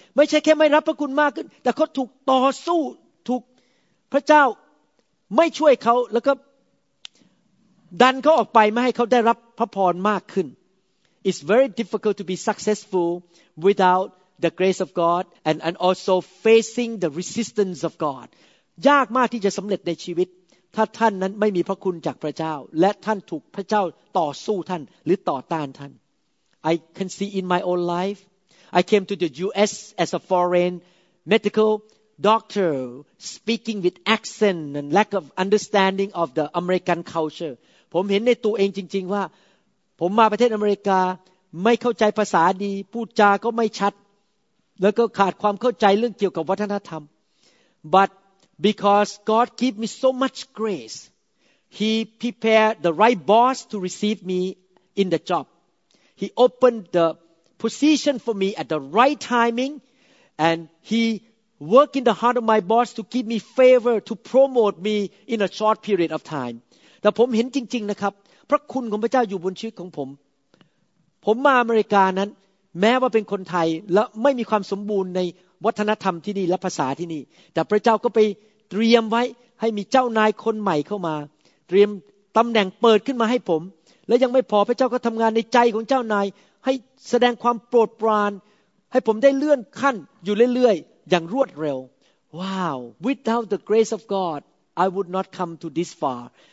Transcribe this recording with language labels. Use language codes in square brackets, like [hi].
[th] ไม่ใช่แค่ไม่รับพระคุณมากขึ้นแต่เขาถูกต่อสู้ถูกพระเจ้าไม่ช่วยเขาแล้วก็ดันเขาออกไปไม่ให้เขาได้รับพระพรมากขึ้น [en] It's very difficult to be successful without the grace of God and also facing the resistance of God. [th] ยากมากที่จะสำเร็จในชีวิตถ้าท่านนั้นไม่มีพระคุณจากพระเจ้าและท่านถูกพระเจ้าต่อสู้ท่านหรือต่อต้านท่าน [en] I can see in my own life. I came to the U.S. as a foreign medical doctor, speaking with accent and lack of understanding of the American culture. [th] ผมเห็นในตัวเองจริงๆว่าผมมาประเทศอเมริกาไม่เข้าใจภาษาดีพูดจาก็ไม่ชัดแล้วก็ขาดความเข้าใจเรื่องเกี่ยวกับวัฒนธรรม [en] But because God gave me so much grace, He prepared the right boss to receive me in the job. He opened the position for me at the right timing, and he worked in the heart of my boss to give me favor to promote me in a short period of time. [th] แต่ผมเห็นจริงๆนะครับพระคุณของพระเจ้าอยู่บนชีวิตของผมผมมาอเมริกานั้นแม้ว่าเป็นคนไทยและไม่มีความสมบูรณ์ในวัฒนธรรมที่นี่และภาษาที่นี่แต่พระเจ้าก็ไปเตรียมไว้ให้มีเจ้านายคนใหม่เข้ามาเตรียมตำแหน่งเปิดขึ้นมาให้ผมและยังไม่พอพระเจ้าก็ทำงานในใจของเจ้านายให้แสดงความโปรดปรานให้ผมได้เลื่อนขั้นอยู่เรื่อยๆอย่างรวดเร็วว้าว [en] Without the grace of God I would not come to this far